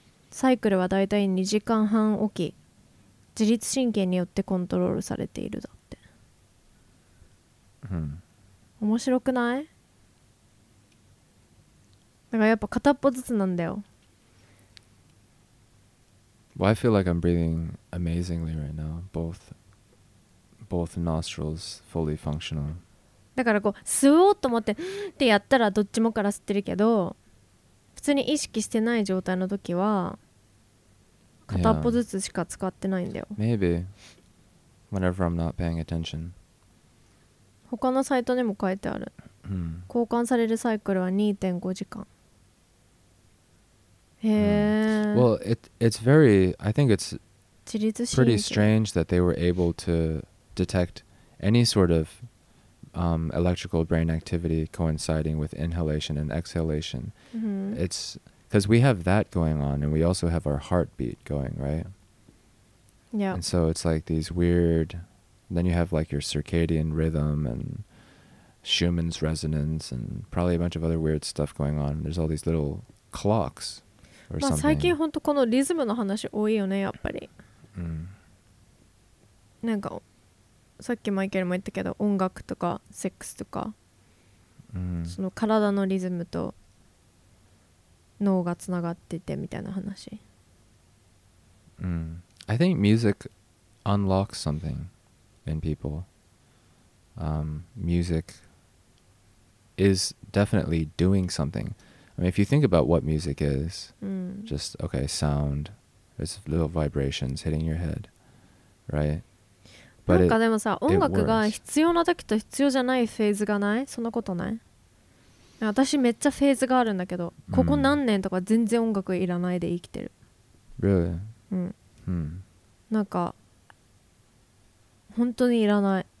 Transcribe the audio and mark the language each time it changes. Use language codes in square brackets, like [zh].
[ja] サイクルはだいたい2時間半おき、自律神経によってコントロールされている、だって、うん、面白くない？だからやっぱ片っぽずつなんだよ。 [en] Well, I feel like I'm breathing amazingly right now. Both nostrils fully functional. [ja] だからこう吸おうと思ってってやったらどっちもから吸ってるけど、普通に意識してない状態の時は片っぽずつしか使ってないんだよ。 [en] yeah. Maybe whenever I'm not paying attention. [ja] 他のサイトにも書いてある、交換されるサイクルは 2.5 時間。へえ。 [en] Well, it's very, I think it's [ja] 自律神経 [en] pretty strange that they were able to detect any sort ofelectrical brain activity coinciding with inhalation and exhalation. Mm-hmm. It's because we have that going on and we also have our heartbeat going, right? Yeah. And so it's like these weird, then you have like your circadian rhythm and Schumann's resonance and probably a bunch of other weird stuff going on. There's all these little clocks or something. [ja] 最近本当このリズムの話多いよね、やっぱり。なんかさっきマイケルも言ったけど、音楽とかセックスとか、その体のリズムと脳がつながっててみたいな話。 [en] I think music unlocks something in people. Music is definitely doing something. I mean, if you think about what music is, just okay, sound, there's little vibrations hitting your head, right? [ja] But、なんかでもさ、音楽が必要な時と必要じゃないフェーズがない？そんなことない？私めっちゃフェーズがあるんだけど、ここ何年とか全然音楽いらないで生きてる。 [en] Really? [ja] なんか本当にいらない